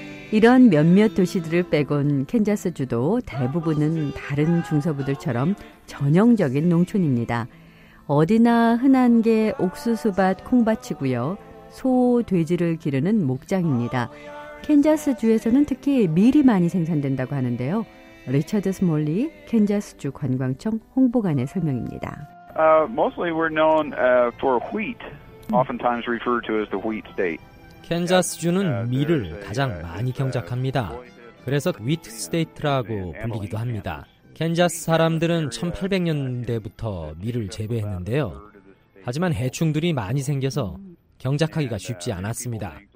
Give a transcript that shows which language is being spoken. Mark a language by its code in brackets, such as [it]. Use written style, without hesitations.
[ko] 이런 몇몇 도시들을 빼곤 캔자스주도 대부분은 다른 중서부들처럼 전형적인 농촌입니다. 어디나 흔한 게 옥수수밭, 콩밭이고요. 소, 돼지를 기르는 목장입니다. 캔자스주에서는 특히 밀이 많이 생산된다고 하는데요. 리처드 스몰리 캔자스주 관광청 홍보관의 설명입니다. [en] Mostly we're known for wheat, oftentimes referred to as the wheat state. [ko] 캔자스주는 밀을 가장 많이 경작합니다. 그래서 위트 스테이트라고 불리기도 합니다. 캔자스 사람들은 1800년대부터 밀을 재배했는데요. 하지만 해충들이 많이 생겨서 경작하기가 쉽지 않았습니다.